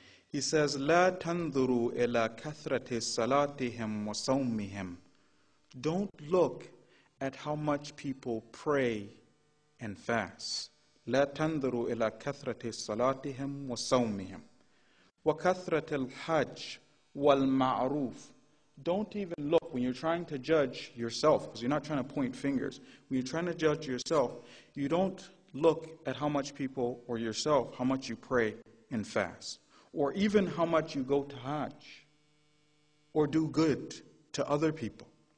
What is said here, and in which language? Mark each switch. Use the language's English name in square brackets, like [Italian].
[English] He says, [Arabic] لا تنظروا إلى كثرة صلاتهم وصومهم. [English] Don't look at how much people pray and fast. [Arabic] لا تنظروا إلى كثرة صلاتهم وصومهم. وكثرة الحج والمعروف. [English] Don't even look when you're trying to judge yourself, because you're not trying to point fingers. When you're trying to judge yourself, you don't look at how much people or yourself, how much you pray and fast. Or even how much you go to Hajj or do good to other people.